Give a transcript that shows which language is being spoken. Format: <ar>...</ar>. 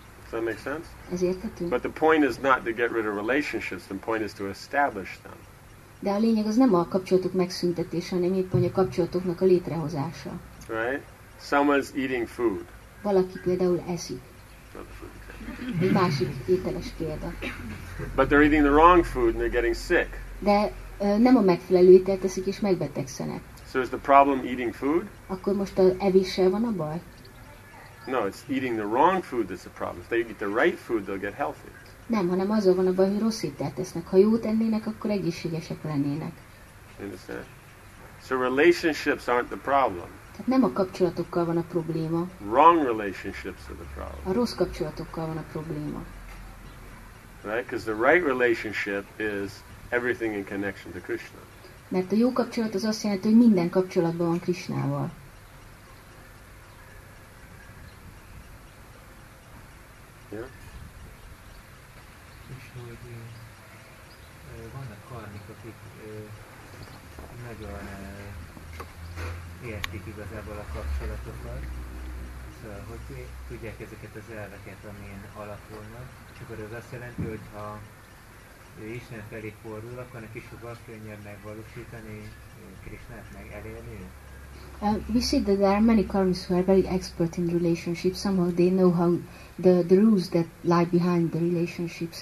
<en>Does that make sense?</en> <hu>Ez érthető?</hu> <en>But the point is not to get rid of relationships, the point is to establish them.</en> <hu>De a lényeg az nem a kapcsolatok megszüntetése, hanem éppen a kapcsolatoknak a létrehozása.</hu> <en>Right? Someone's eating food.</en> <hu>Valaki például eszik. Egy másik ételes példa.</hu> <en>But they're eating the wrong food and they're getting sick.</en> <hu>De nem a megfelelő ételt eszik és megbetegszenek.</hu> <en>So is the problem eating food?</en> <hu>Akkor most az evéssel van a baj?</hu> <en>No, it's eating the wrong food that's the problem. If they eat the right food, they'll get healthy.</en> <hu>Nem, hanem azzal van a baj, hogy rossz ételt esznek. Ha jót ennének, akkor egészségesek lennének.</hu> <en>Understand? So relationships aren't the problem.</en> <hu>Tehát nem a kapcsolatokkal van a probléma.</hu> <en>Wrong relationships are the problem.</en> <hu>A rossz kapcsolatokkal van a probléma.</hu> <en>Right? Because the right relationship is everything in connection to Krishna.</en> <hu>Mert a jó kapcsolat az azt jelenti, hogy minden kapcsolatban van Krishnával.</hu> <en>Yeah?</en> <hu>És hogy vannak karmik, akik nagyon értik igazából a kapcsolatokat. Szóval, hogy tudják ezeket az elveket, amin alapulnak. Csak az azt jelenti, hogy ha Isten felé fordul, akkor neki sokkal könnyebb megvalósítani Krisnát, meg elérni.</hu> <en>We see that there are many karmis who are very expert in relationships. Somehow they know how the rules that lie behind the relationships.</en>